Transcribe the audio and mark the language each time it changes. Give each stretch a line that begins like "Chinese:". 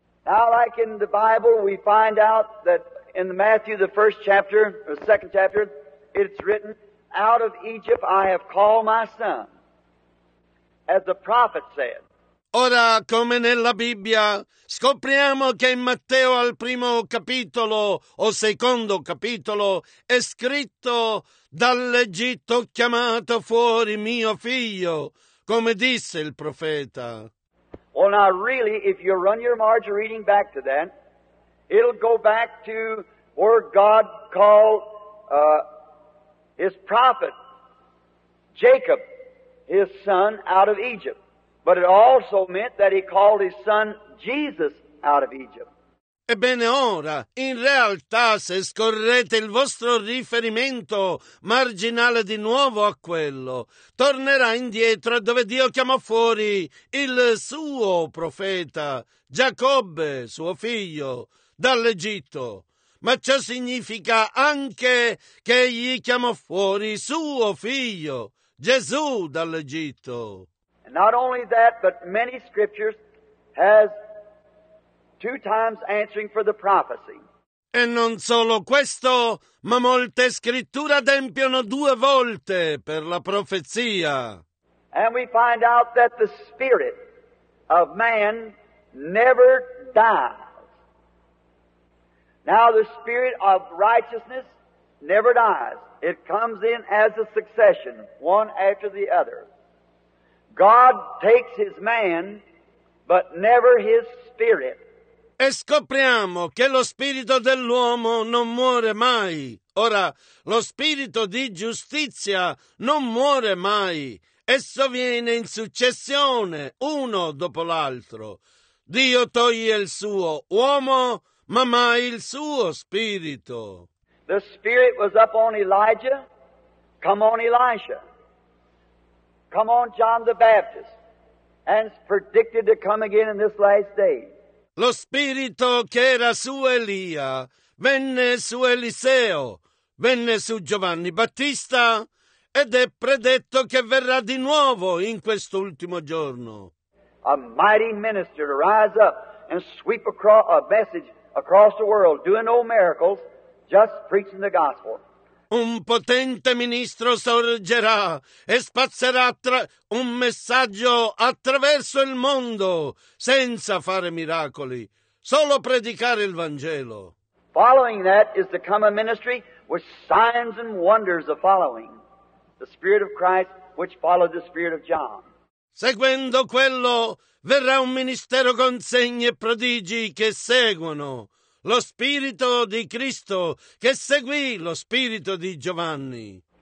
English: Now, like in the Bible, we find out that in Matthew, the first chapter, or the second chapter, it's written, out of Egypt I have called my son, as the prophet said.
Italian: Ora, come nella Bibbia, scopriamo che in Matteo al primo capitolo o secondo capitolo è scritto dall'Egitto ho chiamato fuori mio figlio, come disse il profeta.
English: Well, now really, if you run your margin reading back to that, it'll go back to where God called his prophet, Jacob, his son, out of Egypt. But it also meant that he called his son Jesus out of Egypt.
Italian: Ebbene ora, in realtà, se scorrete il vostro riferimento marginale di nuovo a quello, tornerà indietro dove Dio chiamò fuori il suo profeta, Giacobbe, suo figlio, dall'Egitto. Ma ciò significa anche che egli chiamò fuori suo figlio, Gesù, dall'Egitto.
English: Not only that, but many scriptures has two times answering for the prophecy.
Italian: E non solo questo, ma molte scritture adempiono due volte per la profezia.
English: And we find out that the spirit of man never dies. Now the spirit of righteousness never dies. It comes in as a succession, one after the other. God takes his man, but never his spirit.
Italian: E scopriamo che lo spirito dell'uomo non muore mai. Ora, lo spirito di giustizia non muore mai. Esso viene in successione, uno dopo l'altro. Dio toglie il suo uomo, ma mai il suo spirito.
English: The spirit was up on Elijah, come on Elisha. Come on, John the Baptist, and is predicted to come again in this last day.
Italian: Lo spirito che era su Elia venne su Eliseo, venne su Giovanni Battista, ed è predetto che verrà di nuovo in quest'ultimo giorno.
English: A mighty minister to rise up and sweep across a message across the world, doing no miracles, just preaching the gospel.
Italian: Un potente ministro sorgerà e spazzerà un messaggio attraverso il mondo senza fare miracoli, solo predicare il Vangelo.
English: Following that is to come a ministry with signs and wonders of following the Spirit of Christ which followed the Spirit of John.
Italian: Seguendo quello verrà un ministero con segni e prodigi che seguono lo spirito di Cristo che seguì lo spirito di Giovanni.